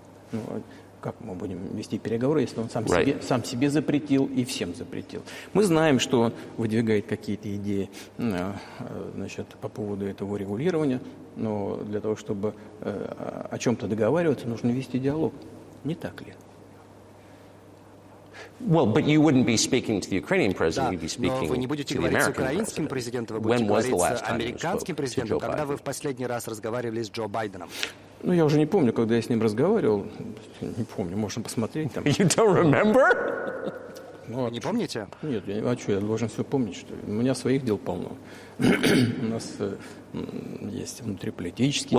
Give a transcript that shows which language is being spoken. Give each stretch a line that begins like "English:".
Russian: Ну, как мы будем вести переговоры, если он сам себе запретил и всем запретил? Мы знаем, что он выдвигает какие-то идеи, значит, по поводу этого регулирования, но для того, чтобы о чем-то договариваться, нужно вести диалог. Не так ли?
English: Well, but you wouldn't be speaking to the Ukrainian president, you'd be speaking to the American
Russian: Да, но вы не будете говорить с украинским президентом, вы будете говорить с американским президентом. Когда вы в последний раз разговаривали с Джо Байденом? Ну, я уже не помню, когда я с ним разговаривал. Не помню, можно посмотреть там.
English: You don't remember?
Russian: Ну, не помните? Нет, а что, я должен все помнить, что ли? У меня своих дел полно. У нас есть внутриполитические...